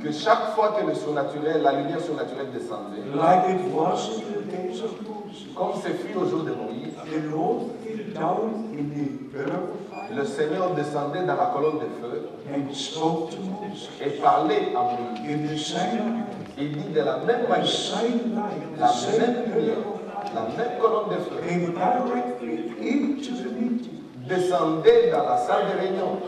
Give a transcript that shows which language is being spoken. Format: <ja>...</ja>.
<fr>que chaque fois que le surnaturel, la lumière surnaturelle descendait,</fr> <en>like it was in the days of Moses,</en> <fr>comme ce fut au jour de Moïse,</fr> <en>the Lord came down in the pillar of fire,</en> <fr>le Seigneur descendait dans la colonne de feu.</fr> <en>And spoke to Moses.</en> <fr>Et parlait à Moïse. Il dit de la même manière, la même lumière, la même colonne de feu, descendait dans la salle de réunion.</fr>